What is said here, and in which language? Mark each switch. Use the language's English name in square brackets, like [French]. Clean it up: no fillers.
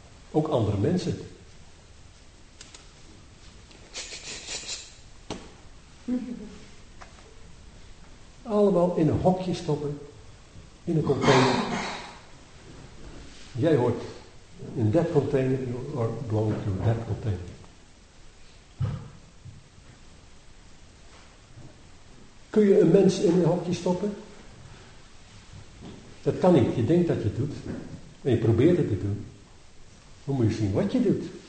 [Dutch] Ook andere mensen. Allemaal in een hokje stoppen, in een container. Jij hoort in [English] that container, you are belonging to that container. [Dutch] Kun je een mens in een hokje stoppen? Dat kan niet. Je denkt dat je het doet. En je probeert het te doen. Dan moet je zien wat je doet.